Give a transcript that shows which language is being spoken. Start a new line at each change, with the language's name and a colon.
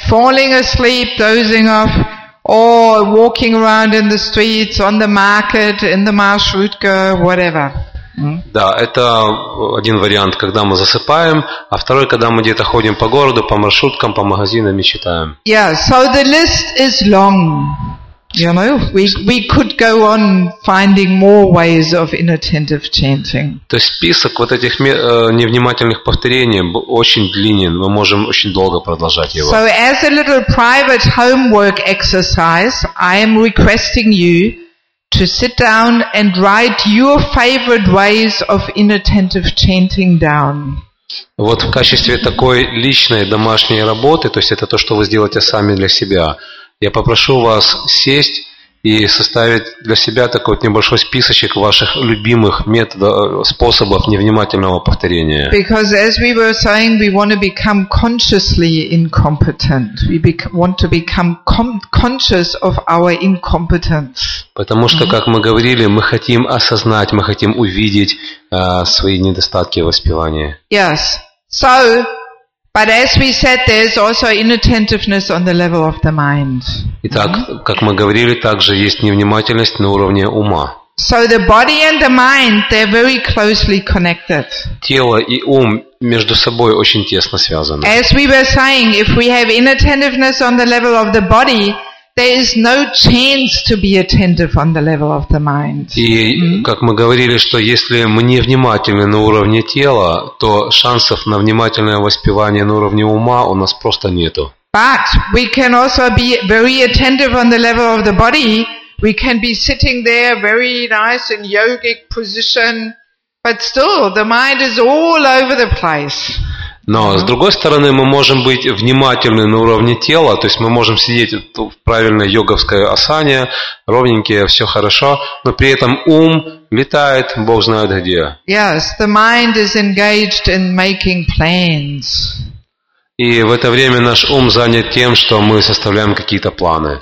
English: Falling asleep, dozing off, or walking around in the streets, on the market, in the marshrutka, whatever.
Russian: Да, это один вариант, когда мы засыпаем, а второй, когда мы где-то ходим по городу, по маршруткам, по магазинам и читаем.
English: Yeah, so the list is long. You know, we could go on finding more ways of inattentive chanting.
Russian: То есть список вот этих невнимательных повторений очень длинен. Мы можем очень долго продолжать его.
English: So as a little private homework exercise, I am requesting you to sit down and write your favorite ways of inattentive chanting down.
Russian: Вот в качестве такой личной домашней работы, то есть это то, что вы сделаете сами для себя. Я попрошу вас сесть и составить для себя такой вот небольшой списочек ваших любимых методов, способов невнимательного повторения.
English: Because as we were saying, we want to become consciously incompetent. We want to become conscious of our incompetence.
Russian: Потому что, как мы говорили, мы хотим осознать, мы хотим увидеть свои недостатки воспевания.
English: Yes. So, but as we said, there's also inattentiveness on the level of the mind.
Russian: Итак, как мы говорили, также есть невнимательность на уровне ума.
English: So the body and the mind, they're very closely connected.
Russian: Тело и ум между собой очень тесно связаны.
English: As we were saying, if we have inattentiveness on the level of the body, there is no chance to be attentive on the level of the mind.
Russian: И как мы говорили, что если мы не внимательны на уровне тела, то шансов на внимательное воспевание на уровне ума у нас просто нету.
English: But we can also be very attentive on the level of the body. We can be sitting there very nice in yogic position, but still the mind is all over the place.
Russian: Но, с другой стороны, мы можем быть внимательны на уровне тела, то есть мы можем сидеть в правильной йоговской осане, ровненькие, все хорошо, но при этом ум летает, Бог знает где.
English: Yes, the mind is engaged in making plans.
Russian: И в это время наш ум занят тем, что мы составляем какие-то планы.